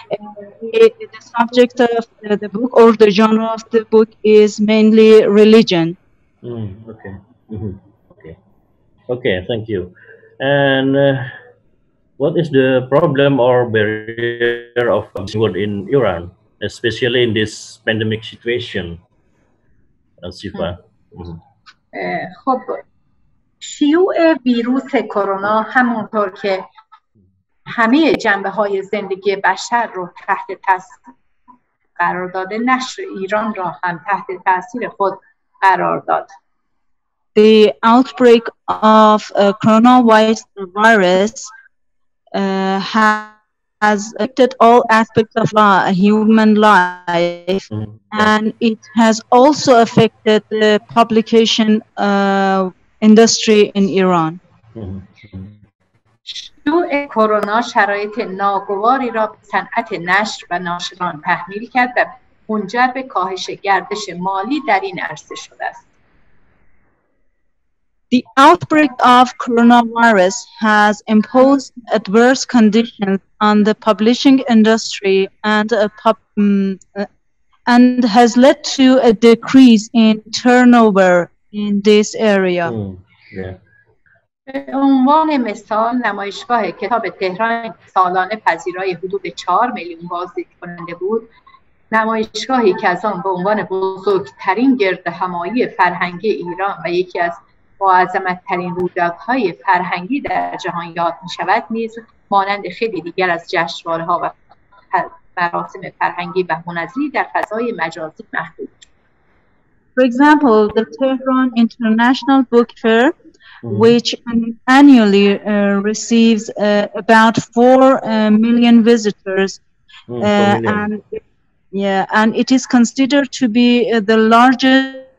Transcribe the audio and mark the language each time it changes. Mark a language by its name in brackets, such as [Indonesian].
[English] The subject of the book or the genre of the book is mainly religion. Mm, okay. Mm-hmm. Okay, thank you. And what is the problem or barrier of publishing world in Iran, especially in this pandemic situation? Shiva. [Persian] خب شیوع ویروس کرونا همونطور که همه جنبه‌های زندگی بشر رو تحت تاثیر قرار داده، نشر ایران را هم تحت تاثیر خود قرار داد. [English] The outbreak of coronavirus has affected all aspects of human life, and it has also affected the publication industry in Iran. [Persian] شیوع کرونا شرایط ناگواری را به صنعت نشر و ناشران تحمیل کرد و منجر به کاهش گردش مالی در این عرصه شده است. [English] The outbreak of coronavirus has imposed adverse conditions on the publishing industry and has led to a decrease in turnover in this area. [Persian] به عنوان مثال نمایشگاه کتاب تهران سالانه پذیرای حدود 4 میلیون بازدید کننده بود. نمایشگاهی که از آن به عنوان بزرگترین گردهمایی فرهنگی ایران و یکی از با عظمت ترین رویدادهای فرهنگی در جهان یاد می شود نیز مانند خیلی دیگر از جشنواره ها و مراسم فرهنگی و هنری در فضای مجازی محدود. [English] For example, the Tehran International Book Fair, which annually receives about 4 million visitors, and it is considered to be the largest